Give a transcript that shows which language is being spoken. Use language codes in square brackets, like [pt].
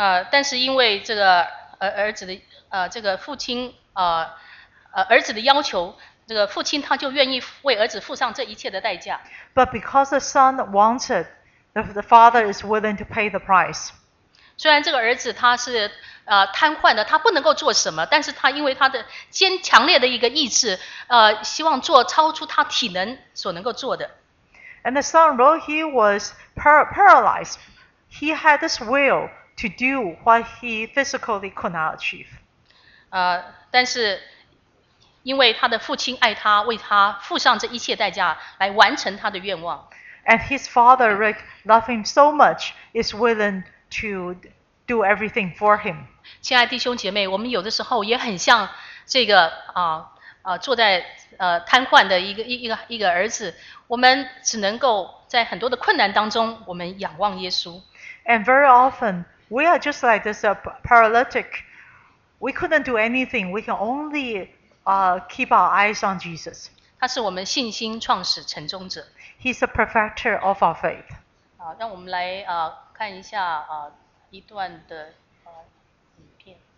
[zh] 但是因为这个儿子的这个父亲儿子的要求。这个父亲他就愿意为儿子付上这一切的代价。 [en] But because the son wants it, the father is willing to pay the price. [zh] 虽然这个儿子他是瘫痪的，他不能够做什么，但是他因为他的强烈的一个意志，希望做超出他体能所能够做的。 [en] And the son, though he was paralyzed, he had this will to do what he physically could not achieve. [zh] 但是因为他的父亲爱他，为他付上这一切代价来完成他的愿望。 [en] And his father Rick loved him so much, is willing to do everything for him. [zh] 亲爱弟兄姐妹，我们有的时候也很像这个坐在瘫痪的一个儿子，我们只能够在很多的困难当中，我们仰望耶稣。 [en] And very often we are just like this paralytic. We couldn't do anything. We can only keep our eyes on Jesus. [zh] 他是我们信心创始成终者。 [en] He's the perfecter of our faith. [zh] 让我们来看一下一段的影片。